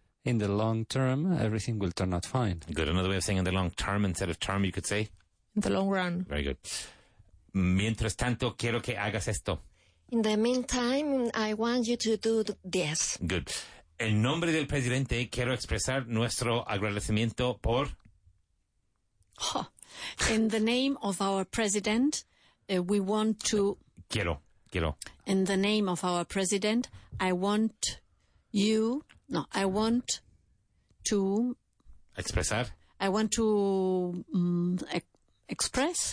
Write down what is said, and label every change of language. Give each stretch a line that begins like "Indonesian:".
English: In the long term, everything will turn out fine. Good. Another way of saying in the long term, instead of term, you could say? In the long run. Very good.
Spanish: Mientras tanto, quiero que hagas esto.
English: In the meantime, I want you to do this. Good.
Spanish: En nombre del presidente, quiero expresar nuestro agradecimiento por...
English: In the name of our president, we want to...
Spanish: Quiero.
English: In the name of our president, I want to...
Spanish: Expresar?
English: I want to express